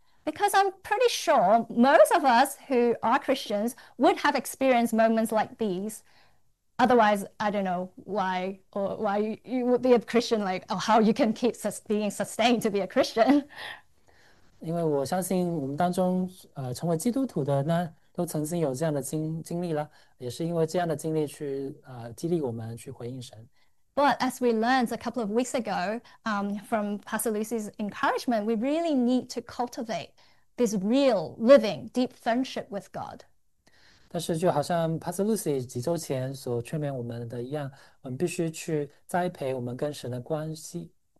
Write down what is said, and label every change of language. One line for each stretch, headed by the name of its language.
English: Because I'm pretty sure most of us who are Christians would have experienced moments like these. Otherwise, I don't know why you would be a Christian, like, or how you can keep being sustained to be a Christian.
Chinese: 因为我相信我们当中，成为基督徒的呢，都曾经有这样的经历了，也是因为这样的经历去，激励我们去回应神。
English: But as we learned a couple of weeks ago, from Pastor Lucy's encouragement, we really need to cultivate this real, living, deep friendship with God.
Chinese: 但是，就好像 Pastor Lucy 几周前所劝勉我们的一样，我们必须去栽培我们跟神的关系。